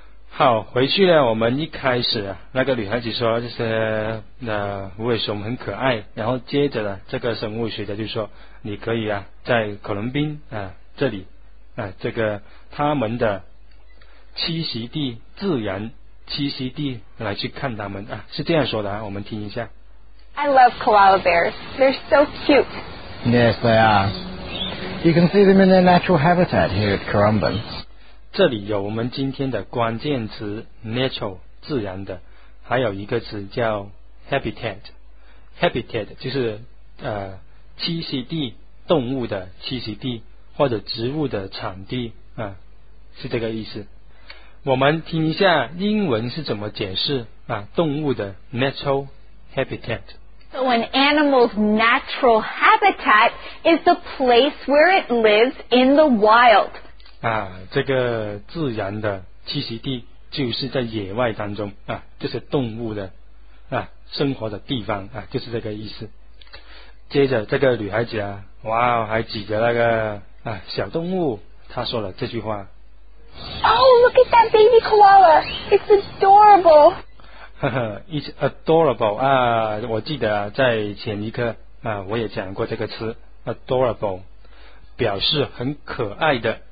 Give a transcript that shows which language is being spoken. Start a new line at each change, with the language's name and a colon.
Chinese: 好，回去呢我们一开始那个女孩子说这些无尾熊很可爱，然后接着呢这个生物学家就说你可以啊在可伦宾啊这里啊这个他们的栖息地自然栖息地来去看他们啊，是这样说的啊，我们听一下。
English: I love koala bears. They're so cute. Yes, they are. You can see them in their natural habitat here at Currumbin.
Chinese: 这里有我们今天的关键词 natural 自然的，还有一个词叫 habitat， habitat 就是栖息地，动物的栖息地或者植物的产地啊，是这个意思。我们听一下英文是怎么解释啊动物的 natural habitat。
English: So an animal's natural habitat is the place where it lives in the wild.
Chinese: 啊，这个自然的栖息地就是在野外当中啊，这些动物的啊生活的地方啊，就是这个意思。接着这个女孩子啊，哇，还指着那个啊小动物，她说了这句话。
English: Oh, look at that baby koala! It's adorable.
Chinese: 呵呵 ，
English: it's adorable
Chinese: 啊，我记得啊，在前一课啊，我也讲过这个词 ，adorable， 表示很可爱的。